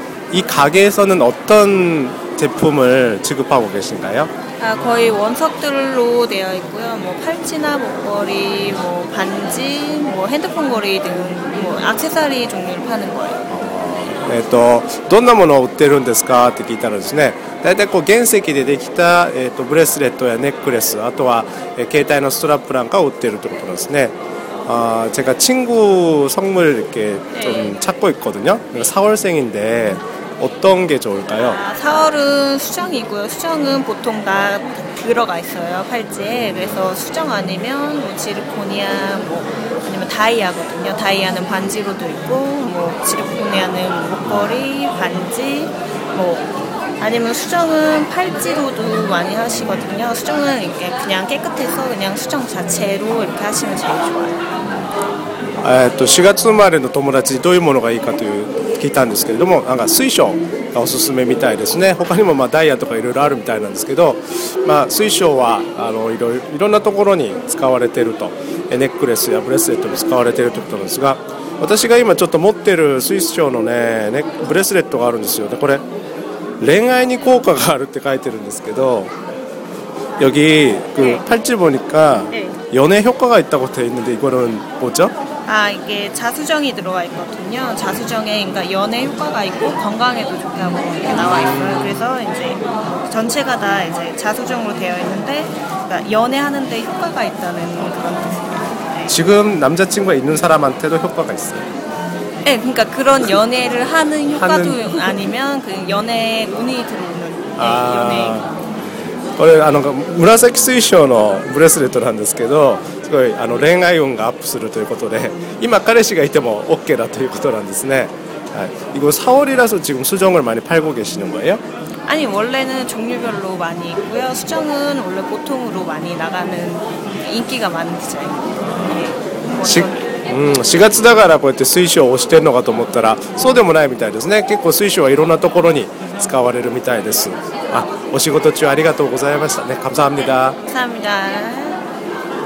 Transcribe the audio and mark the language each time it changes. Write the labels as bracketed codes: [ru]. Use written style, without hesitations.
[ko] 이 가게에서는 어떤 제품을 지급하고 계신가요? 아, 거의 원석들로 되어 있고요. 뭐 팔찌나 목걸이, 뭐 반지, 뭐 핸드폰 걸이 등 뭐 액세서리 종류를 파는 거예요. [ja] どんなものを売ってるんですかって聞いたらですね、大体こう原石でできた、ブレスレットやネックレス、あとは、携帯のストラップなんかを売ってるってことですね。 [ko] 아, 제가 친구 성물 이렇게 좀 찾고 있거든요. 4월생인데 어떤 게 좋을까요? 4월은 수정이고요. 수정은 보통 다 들어가 있어요, 팔찌에. 그래서 수정 아니면 지르코니아, 뭐 아니면 다이아거든요. 다이아는 반지로도 있고, 뭐 지르코니아는 목걸이, 반지, 뭐아니면수정은팔찌로도많이하시거든요. 수정은이렇게그냥깨끗해서그냥수정자체로이렇게하시면제일좋아요. [ja] 4月生まれの友達にどういうものがいいかという聞いたんですけれども、なんか水晶がおすすめみたいですね。他にもまあダイヤとかいろいろあるみたいなんですけど、まあ、水晶はいろんなところに使われていると、ネックレスやブレスレットに使われているということなんですが、私が今ちょっと持っている水晶の、ね、ブレスレットがあるんですよ。でこれ恋愛に効果があるって書いてるんですけど、 [ko] 여기그 팔찌 보니까 연애 효과가 있다고 돼 있는데 이거는 뭐죠? 아 이게 자수정이 들어가 있거든요. 자수정에 그러니까 연애 효과가 있고 건강에도 좋다고 이렇게 나와 있어요. 그래서 이제 전체가 다 이제 자수정으로 되어 있는데 연애하는데 효과가 있다는 그런 뜻입니다. 지금 남자친구가 있는 사람한테도 효과가 있어요. 네 그러니까 그런 연애를 하는 효과도 아니면 그 연애 운이 들어오는 연애 [ja] これあの紫水晶のブレスレットなんですけど、すごいあの恋愛運がアップするということで、今彼氏がいても OK だということなんですね。はい、 [ko] 이거4월이라서지금수정을많이팔고계시는거예요？ 아니원래는종류별로많이있고요수정은원래보통으로많이나가는인기가많은디자인 [ja] 4月だからこうやって水晶を押してるのかと思ったらそうでもないみたいですね。結構水晶はいろんなところに使われるみたいです。あ、お仕事中ありがとうございましたね。 [ko] 감사합니다。 감사합니다。